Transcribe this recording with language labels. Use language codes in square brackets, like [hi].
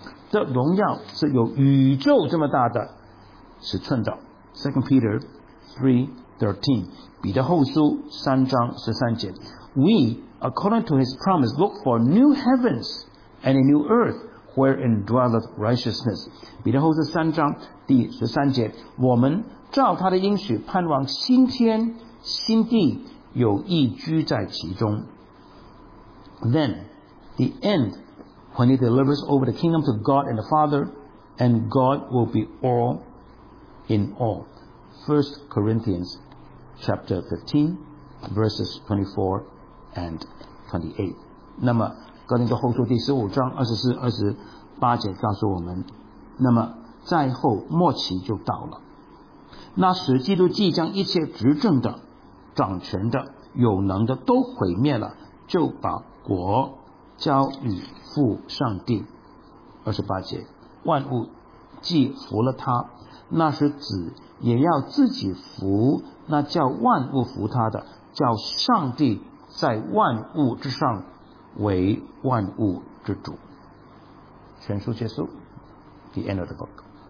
[zh] 这荣耀是有宇宙这么大的尺寸的。 [en] 2 Peter 3:13 [zh] 彼得后书3:13 [en] We, according to his promise, look for new heavens and a new earth wherein dwelleth righteousness. [zh] 彼得后书3:13我们照他的应许盼望新天新地，有义居在其中。 [en] Then, the end, when he delivers over the kingdom to God and the Father, and God will be all in all. 1 Corinthians chapter 15, verses 24 and 28. [zh] 那么，哥林多后书第15章24、28节告诉我们，那么，在后末期就到了。那时基督即将一切执政的、掌权的、有能的都毁灭了，就把国交与父上帝。 28节，万物既服了他，那是子也要自己服那叫万物服他的，叫上帝在万物之上为万物之主。全书结束。 [en] The end of the book.